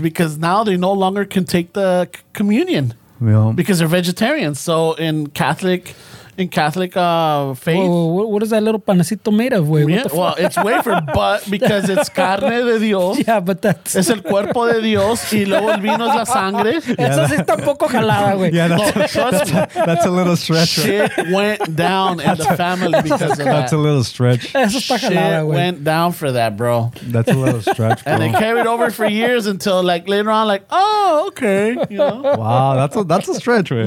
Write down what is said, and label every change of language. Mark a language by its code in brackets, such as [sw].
[en] because now they no longer can take the communion because they're vegetarians. So in Catholic faith, what is that little panecito made of? Well, it's wafer, but because it's [es] carne de Dios. [en] Yeah, but that's [es] es el cuerpo de Dios y luego el vino es la sangre. Eso sí está un poco jalada, güey. [en] Yeah, that's a little stretch. Shit went down in the family because of that. That's a little stretch. [es] Eso está jalada, güey. [en] Shit went down for that, bro. That's a little stretch, bro. And it carried over for years until like later on, like, oh, okay, Wow, that's a stretch, right?